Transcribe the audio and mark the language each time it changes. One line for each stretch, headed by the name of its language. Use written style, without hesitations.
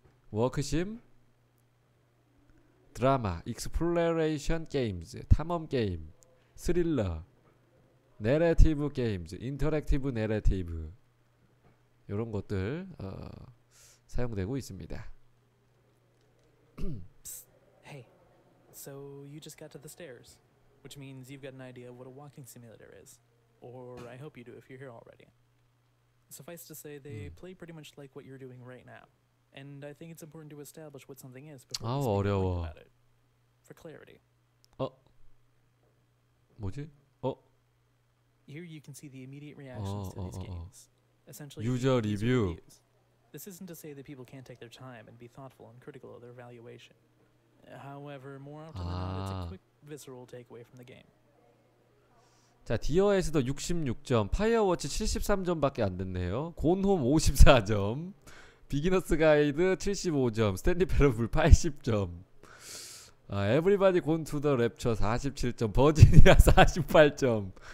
Korean: 워크심, 드라마, 익스플로레이션 게임즈, 탐험 게임, 스릴러, 내러티브 게임즈, 인터랙티브 내러티브 이런 것들 사용되고 있습니다.
English: Hey, so you just got to the stairs, which means you've got an idea of what a walking simulator is. or I hope you do if you're here already. Suffice to say, they play pretty much like what you're doing right now. And I think it's important to establish what something is before you speak about it. For clarity.
Korean: 어? 뭐지? 어?
English: Here you can see the immediate reactions to these games. Essentially, user review. This isn't to say that people can't take their time and be thoughtful and critical of their evaluation. However, more often than not, it's a quick, visceral takeaway from the game.
Korean: 자, 디어에서도 66점, 파이어워치 73점밖에 안 됐네요. 곤홈 54점, 비기너스 가이드 75점, 스탠리 패러블 80점. 아, 에브리바디 곤 투 더 랩처 47점, 버지니아 48점.